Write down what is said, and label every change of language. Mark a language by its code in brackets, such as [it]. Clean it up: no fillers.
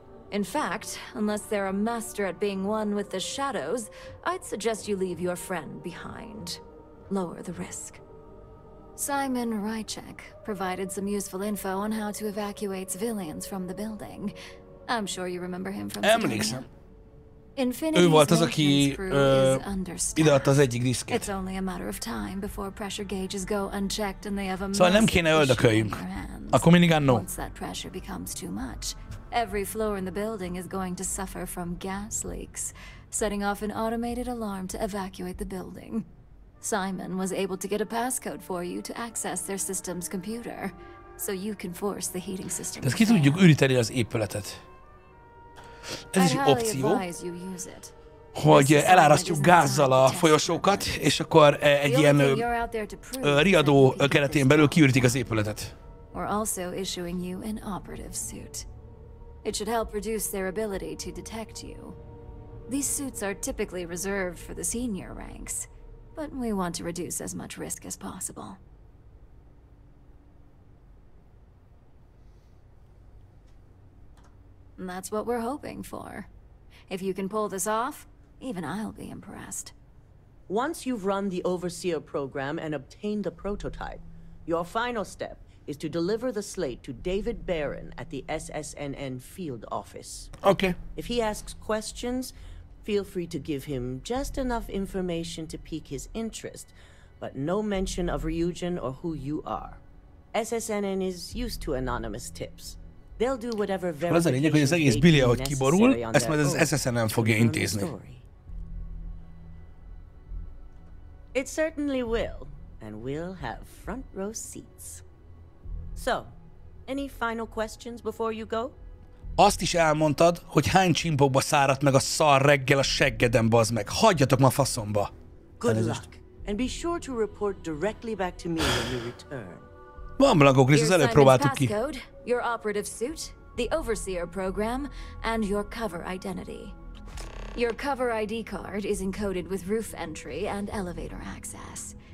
[en] In fact, unless they're a master at being one with the shadows, I'd suggest you leave your friend behind. Lower the risk. Simon Rychek provided some useful info on how to evacuate civilians from the building. I'm sure you remember him from Infinity. [hu] Ő volt az, aki ideadta az egyik diszket. [en] It's only a matter of time before pressure gauges go unchecked and they have a mess. [hu] Szóval nem kéne öldököljünk. Akkor minigán no. [en] Once that pressure becomes too much, every floor in the building is going to suffer from gas leaks, setting off an automated alarm to evacuate the building. Simon was able to get a passcode for you to access their system's computer, so you can force the heating system. [hu] Tehát ki tudjuk üríteni az épületet. Ez is egy opció, hogy elárasztjuk gázzal a folyosókat, és akkor egy ilyen riadó keretén belül kiürítik az épületet. [en] We're also issuing you an operative suit. It should help reduce their ability to detect you. These suits are typically reserved for the senior ranks, but we want to reduce as much risk as possible. And that's what we're hoping for. If you can pull this off, even I'll be impressed. Once you've run the Overseer program and obtained the prototype, your final step is to deliver the slate to David Barron at the SSNN field office. Okay. If he asks questions, feel free to give him just enough information to pique his interest, but no mention of Ryujin or who you are. SSNN is used to anonymous tips. They'll do whatever verification they need necessary on their own to confirm the story. It certainly will, and we'll have front row seats. So, any final questions before you go? [hu] Azt is elmondtad, hogy hány csimpókba száradt meg a szar reggel a seggeden, bazd meg. Hagyjatok ma faszomba. [en] Good luck, and be sure to report directly back to me when you return. [hu] Van blankó, Krisz, az előbb próbáltuk ki. [en] Your operative suit, the overseer program, and your cover identity. Your cover ID card is encoded with roof entry and elevator access.